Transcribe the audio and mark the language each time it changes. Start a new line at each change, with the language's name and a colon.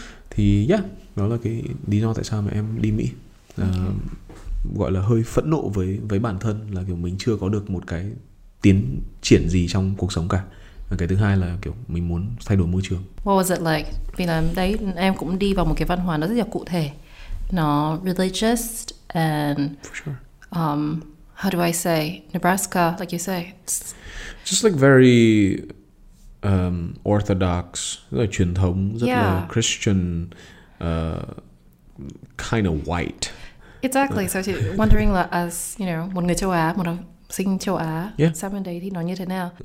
Vietnamese: Thì yeah, đó là cái lý do tại sao mà em đi Mỹ. Gọi là hơi phẫn nộ với bản thân, là kiểu mình chưa có được một cái tiến triển gì trong cuộc sống cả. Và cái thứ hai là kiểu mình muốn thay đổi môi trường.
English: What was it like?
Vietnamese: Vì là đấy, em cũng đi vào một cái văn hóa nó rất là cụ thể, nó
English: religious and for sure. How do I say Nebraska, like you say? It's just like very orthodox,
Vietnamese: rất là truyền thống,
English: rất là Christian, kind of white. Exactly. So I was wondering, like, as you know,
Vietnamese: một người châu Á,
English: một sinh châu Á yeah.
Vietnamese: sang bên đấy thì nó như thế nào?